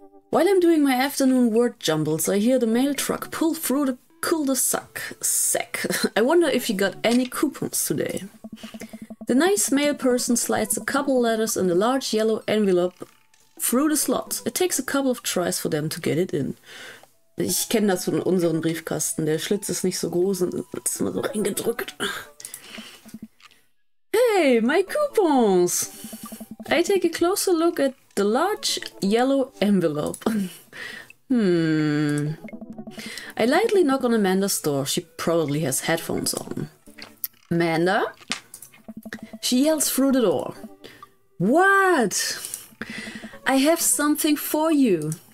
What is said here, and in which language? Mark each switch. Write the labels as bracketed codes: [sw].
[en] While I'm doing my afternoon word jumbles, I hear the mail truck pull through the cul-de-sac. I wonder if you got any coupons today. The nice mail person slides a couple letters in a large yellow envelope through the slots. It takes a couple of tries for them to get it in. [de] Ich kenne das von unserem Briefkasten. Der Schlitz ist nicht so groß und ist immer so reingedrückt. [en] Hey, my coupons! I take a closer look at the large yellow envelope. I lightly knock on Amanda's door. She probably has headphones on. Amanda? She yells through the door. What? I have something for you.